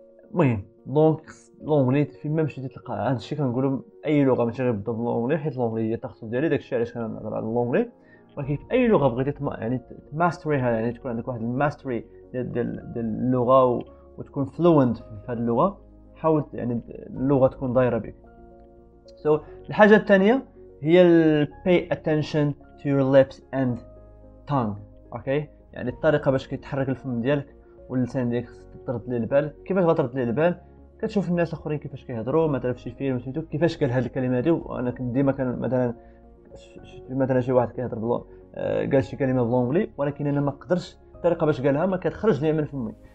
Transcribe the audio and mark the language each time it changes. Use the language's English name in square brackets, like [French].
[Arabic] المهم دونك لونغلي فيما مشيتي تلقى هذا الشيء كنقولوا اي لغه ماشي غير بالضبط لونغلي, حيت لونغلي هي التخصص ديالي داكشي علاش كنهضر على لونغلي. ولكن في اي لغه بغيتي يعني ماستريها يعني تكون عندك واحد الماستري ديال اللغه وتكون فلوينت في هذه اللغه, حاول يعني اللغه تكون دايره بك. سو الحاجه الثانيه هي [English] pay attention to your lips and tongue. [Arabic] اوكي يعني الطريقه باش كيتحرك الفم ديالك واللسان ديالك ترد ليه البال. كيفاش غترد ليه البال؟ كتشوف الناس الاخرين كيفاش كيهضروا مثلا في شي فيلم سميتو كيفاش قال هذه الكلمه هذه. وانا كنت ديما كان مثلا شي واحد كيهضر قال شي كلمه بلونغلي ولكن انا ما قدرش الطريقه باش قالها ما كتخرج ليا من فمي.